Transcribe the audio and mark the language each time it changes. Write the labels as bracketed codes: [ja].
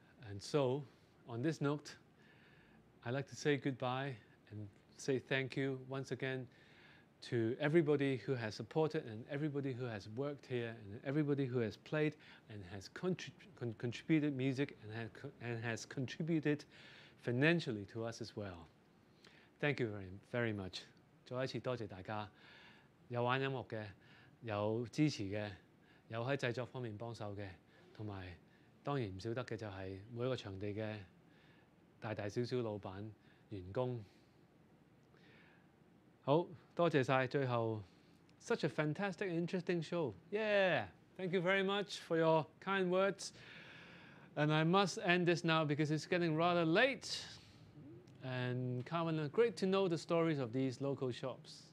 [en] And so, on this note, I'd like to say goodbye and say thank you once again to everybody who has supported and everybody who has worked here and everybody who has played and has contributed music and has contributed financially to us as well. Thank you very, very much. [yue] 再一次多謝大家，有玩音樂嘅，有支持嘅，有喺製作方面幫手嘅，同埋當然唔少得嘅就係每一個場地嘅大大小小老闆、員工。好多謝曬，最後 [en] such a fantastic and interesting show. Yeah, thank you very much for your kind words. And I must end this now because it's getting rather late. And Carmen, great to know the stories of these local shops.